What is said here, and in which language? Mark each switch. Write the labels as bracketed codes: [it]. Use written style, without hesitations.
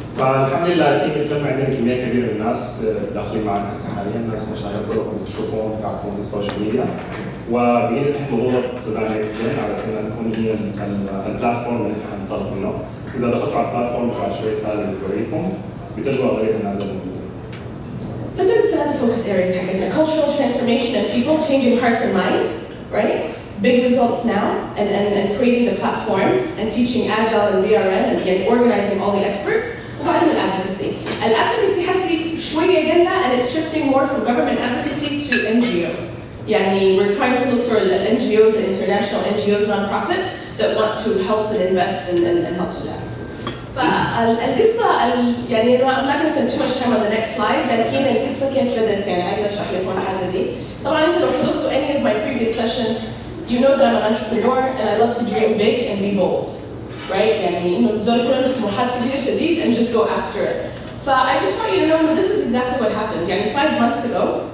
[ar] فالحمد لله اكيد اتلم عندنا كميه كبيره من الناس داخلين معنا هسه حاليا ناس مشاهير كلكم تشوفون تعرفون في السوشيال ميديا وبقينا تحت مظله سودان نكست جن على اساس انها تكون هي البلاتفورم اللي احنا نطلب منه اذا دخلتوا على البلاتفورم بعد شوي سهل توريكم بتلقوا اغلبيه الناس فدول الثلاثة [en] focus areas [ar] حقتنا [en] cultural transformation of people changing hearts and minds right big results now and creating the platform and teaching agile and BRN and again organizing all the experts [ar] وبعدين الadvocacy [en] الadvocacy has to [ar] شوية جدا [en] and it's shifting more from government advocacy to NGO يعني we're trying to look for the NGOs the international NGOs nonprofits that want to help and invest and help Sudan. [ar] فالقصة يعني ما كنا نتكلم عنها في النكست سلايد لكن القصة كيف بدأت يعني عايز أشرح لكم الحاجة دي طبعاً أنت لو حضرتوا [en] any of my previous session you know that I'm an entrepreneur and I love to dream big and be bold right [ar] يعني إنه دول كلهم طموحات كبيرة شديد [en] and just go after it فا I just want you to know that this is exactly what happened يعني 5 months ago